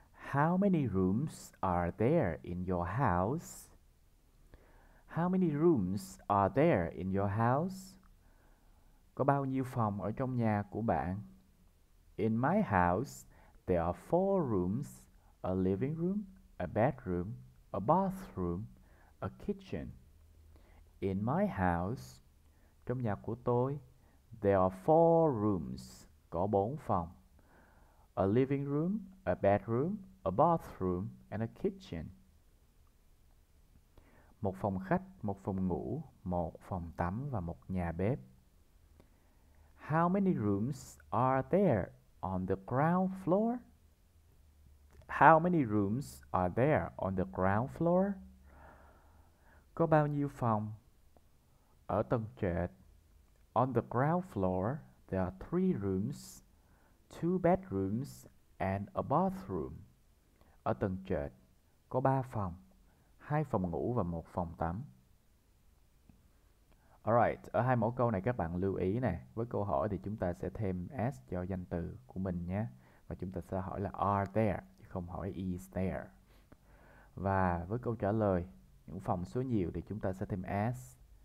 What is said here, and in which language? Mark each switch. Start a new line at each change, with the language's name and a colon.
English: How many rooms are there in your house? How many rooms are there in your house?
Vietnamese: Có bao nhiêu phòng ở trong nhà của bạn?
English: In my house, there are 4 rooms, a living room, a bedroom, a bathroom, a kitchen. In my house,
Vietnamese: trong nhà của tôi,
English: there are 4 rooms,
Vietnamese: có 4 phòng,
English: a living room, a bedroom, a bathroom, and a kitchen.
Vietnamese: Một phòng khách, một phòng ngủ, một phòng tắm và một nhà bếp.
English: How many rooms are there on the ground floor? How many rooms are there on the ground floor?
Vietnamese: Có bao nhiêu phòng? Ở tầng trệt.
English: On the ground floor, there are 3 rooms, 2 bedrooms, and a bathroom.
Vietnamese: Ở tầng trệt, có 3 phòng, 2 phòng ngủ và 1 phòng tắm. Alright, ở hai mẫu câu này các bạn lưu ý nè. Với câu hỏi thì chúng ta sẽ thêm S cho danh từ của mình nhé. Và chúng ta sẽ hỏi là
English: are there,
Vietnamese: chứ không hỏi
English: is there.
Vietnamese: Và với câu trả lời, những phòng số nhiều thì chúng ta sẽ thêm S.